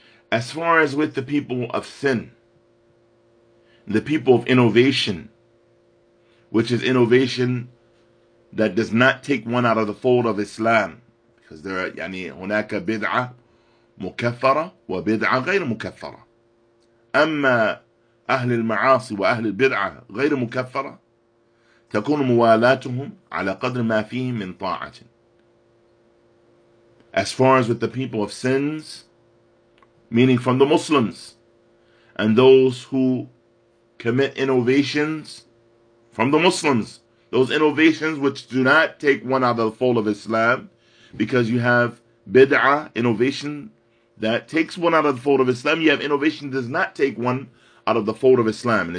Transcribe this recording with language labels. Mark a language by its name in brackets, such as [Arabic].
[English] As far as with the people of sin, the people of innovation, which is innovation that does not take one out of the fold of Islam, because there are [Arabic] هناك بدعة مكفرة وبدعة غير مكفرة. أما أهل المعاصي وأهل البدعة غير مكفرة تكون موالاتهم على قدر ما فيهم من طاعة. [English] As far as with the people of sins, meaning from the Muslims and those who commit innovations, from the Muslims, those innovations which do not take one out of the fold of Islam, because you have bid'ah, innovation that takes one out of the fold of Islam, you have innovation that does not take one out of the fold of Islam.